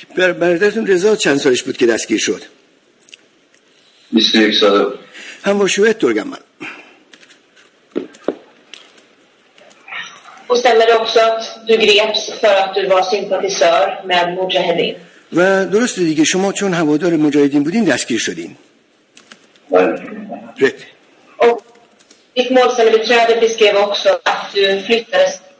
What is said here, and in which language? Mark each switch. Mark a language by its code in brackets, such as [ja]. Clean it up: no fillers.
[sv] Berätta om Reza, hur gammal var din bror Reza när han greps? 21 år. Han var 21 år gammal. Och stämmer det också att du greps för att du var sympatisör med Mujahedin? [fa] Va, درسته دیگه شما چون هوادار مجاهدین بودین دستگیر شدین. Och ditt målsägandebiträde beskrev också att du flyttades